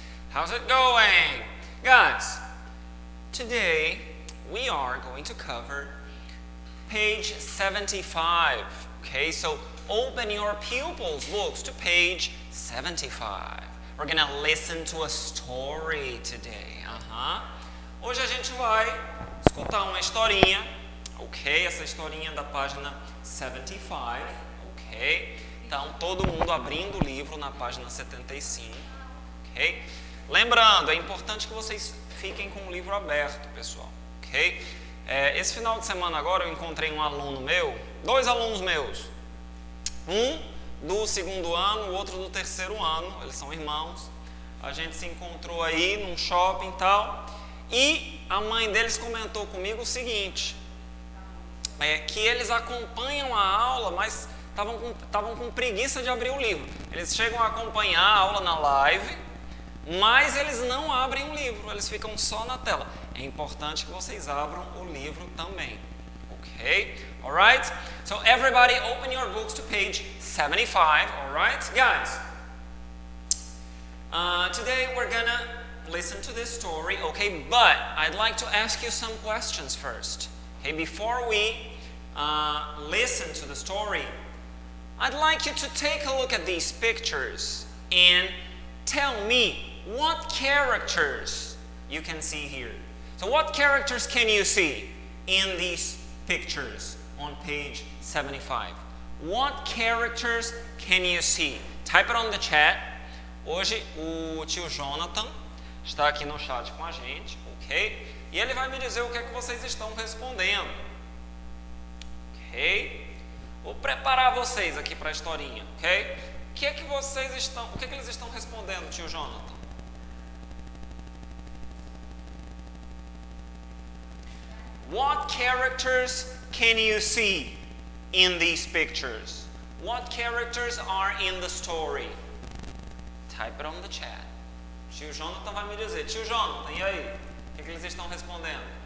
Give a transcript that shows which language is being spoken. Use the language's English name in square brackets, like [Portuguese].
[English] How's it going? Guys, today we are going to cover page 75. Okay, so open your pupils' books to page 75. We're gonna listen to a story today. [Portuguese] Hoje a gente vai escutar uma historinha, ok? Essa historinha da página 75, ok? Então, todo mundo abrindo o livro na página 75, ok? Lembrando, é importante que vocês fiquem com o livro aberto, pessoal, ok? Esse final de semana agora eu encontrei um aluno meu, dois alunos meus. Um do segundo ano, o outro do terceiro ano, eles são irmãos. A gente se encontrou aí num shopping e tal. E a mãe deles comentou comigo o seguinte, que eles acompanham a aula, mas estavam com preguiça de abrir o livro. Eles chegam a acompanhar a aula na live, mas eles não abrem o livro, eles ficam só na tela. É importante que vocês abram o livro também. [English] Ok? Alright? So everybody open your books to page 75, alright? Guys, today we're gonna listen to this story, okay, but I'd like to ask you some questions first. Okay, before we listen to the story, I'd like you to take a look at these pictures and tell me what characters you can see here. So what characters can you see in these pictures on page 75? What characters can you see? Type it on the chat. [Portuguese] Hoje o tio Jonathan está aqui no chat com a gente, ok? E ele vai me dizer o que é que vocês estão respondendo. Ok? Vou preparar vocês aqui para a historinha, ok? O que é que eles estão respondendo, tio Jonathan? [English] What characters can you see in these pictures? What characters are in the story? Type it on the chat. [Portuguese] Tio Jonathan vai me dizer. Tio Jonathan, e aí? O que eles estão respondendo?